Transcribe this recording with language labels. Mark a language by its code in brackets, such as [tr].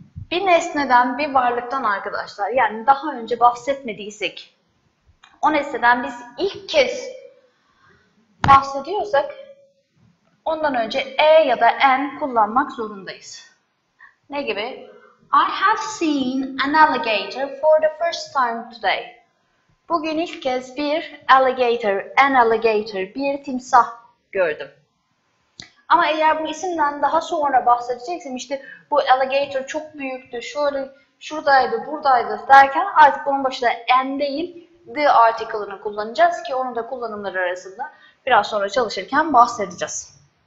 [tr] Bir nesneden, bir varlıktan arkadaşlar, yani daha önce bahsetmediysek, o nesneden biz ilk kez bahsediyorsak, ondan önce e ya da en kullanmak zorundayız. Ne gibi? [en] I have seen an alligator for the first time today. [tr] Bugün ilk kez bir alligator, [en] an alligator, [tr] bir timsah gördüm. Ama eğer bu isimden daha sonra bahsedeceksem işte bu alligator çok büyüktü, şöyle şuradaydı, buradaydı derken artık bunun başında en değil the article'ını kullanacağız ki onu da kullanımlar arasında biraz sonra çalışırken bahsedeceğiz.